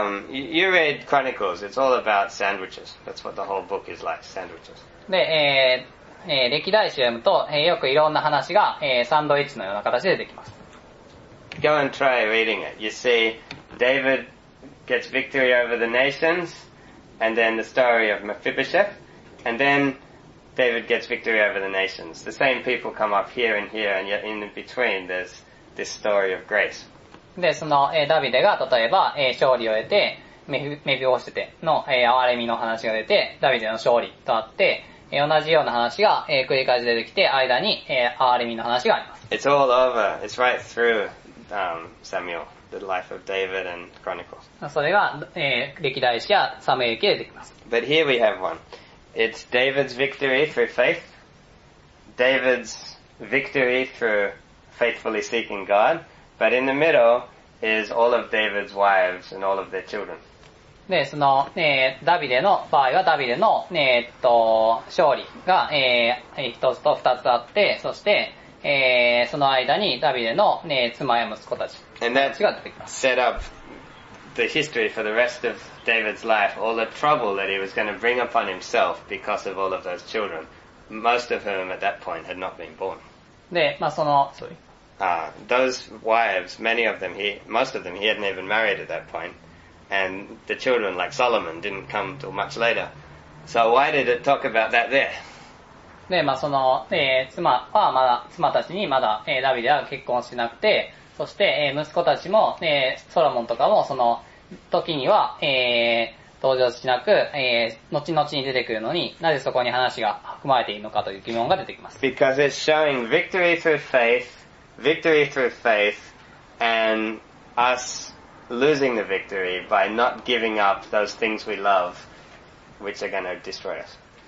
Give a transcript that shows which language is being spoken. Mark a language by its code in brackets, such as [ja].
[en] You read Chronicles. It's all about sandwiches. That's what the whole book is like, sandwiches. [ja] で、歴代史を読むと、よくいろんな話が、サンドイッチのような形で出てきます。 [en] Go and try reading it. You see, David gets victory over the nations, and then the story of Mephibosheth, and then David gets victory over the nations. The same people come up here and here, and yet in between there's this story of grace. [ja] で、その、ダビデが例えば、勝利を得て、メフィボシェテの、憐れみの話が出て、ダビデの勝利とあって、同じような話が、繰り返し出てきて、間に、アーレミの話があります。 [en] It's all over. It's right through, Samuel, the life of David and Chronicles. [ja] それが、歴代史やサムエル記で出てきます。 [en] But here we have one. It's David's victory through faith, David's victory through faithfully seeking God, but in the middle is all of David's wives and all of their children. [ja] で、その、ダビデの場合は、ダビデの、勝利が、一つと二つあって、そして、その間に、ダビデの、妻や息子たち。 [en] And that set up the history for the rest of David's life, all the trouble that he was going to bring upon himself because of all of those children, most of whom at that point had not been born. [ja] で、まあ、その、 [en] sorry. Those wives, many of them, most of them, he hadn't even married at that point. And the children, like Solomon, didn't come till much later. So why did it talk about that there? [ja] で、まあ、その、妻はまだ、妻たちにまだ、ダビデは結婚しなくて、そして、息子たちも、ソロモンとかも、その時には、登場しなく、後々に出てくるのに、なぜそこに話が含まれているのかという疑問が出てきます。 [en] Because it's showing victory through faith, victory through faith, and us... losing the victory by not giving up those things we love, which are going to destroy us.